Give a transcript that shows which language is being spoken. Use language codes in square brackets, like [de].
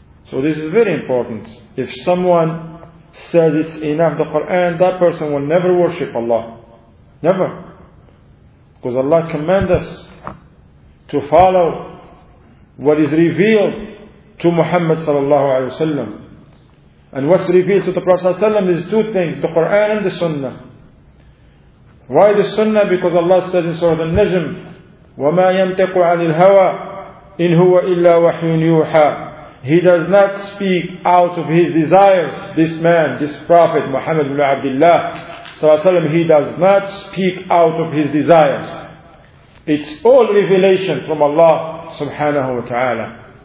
[en] So this is very important. If someone says it's enough, the Quran, that person will never worship Allah. Never. Because Allah commands us to follow what is revealed to Muhammad sallallahu alayhi wa sallam. And what's revealed to the Prophet sallallahu alayhi wa sallam is two things, the Quran and the Sunnah. Why the Sunnah? Because Allah said in Surah Al-Najm, [ar] وَمَا يَنْتَقُ عَنِ الْهَوَىٰ إِنْ هُوَ إِلَّا وَحْيٌ يُوحَىٰ. [en] He does not speak out of his desires, this man, this Prophet, Muhammad ibn Abdullah sallallahu alayhi wa sallam, he does not speak out of his desires. It's all revelation from Allah subhanahu wa ta'ala.